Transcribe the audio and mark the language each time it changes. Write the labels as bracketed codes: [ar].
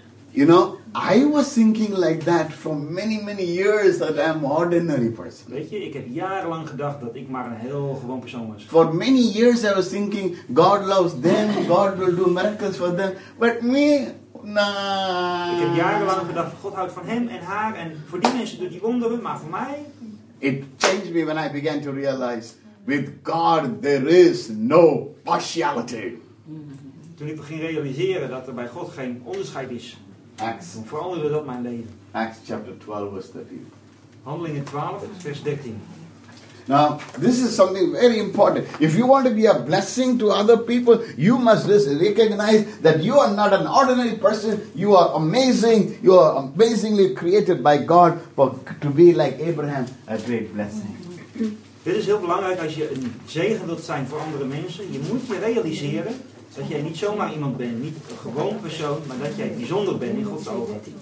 [en] You know, I was thinking like that for many, many years that I'm ordinary person. [nl] Weet je, ik heb jarenlang gedacht dat ik maar een heel gewoon persoon was. [en] For many years I was thinking God loves them, God will do miracles for them, but me, nah. [nl] Ik heb jarenlang gedacht God houdt van hem en haar en voor die mensen doet hij wonderen, maar voor mij. [en] It changed me when I began to realize With God there is no partiality. [nl] Toen ik begon realiseren dat er bij God geen onderscheid is, [en] Acts, [nl] veranderde dat mijn leven. [en] Acts chapter 12 verse 13. [nl] Handelingen 12 vers 13. [en] Now, this is something very important. If you want to be a blessing to other people, you must recognize that you are not an ordinary person. You are amazing. You are amazingly created by God to be like Abraham, a great blessing. [nl] Dit is heel belangrijk als je een zegen wilt zijn voor andere mensen. Je moet je realiseren dat jij niet zomaar iemand bent, niet een gewoon persoon, maar dat jij bijzonder bent in Gods ogen.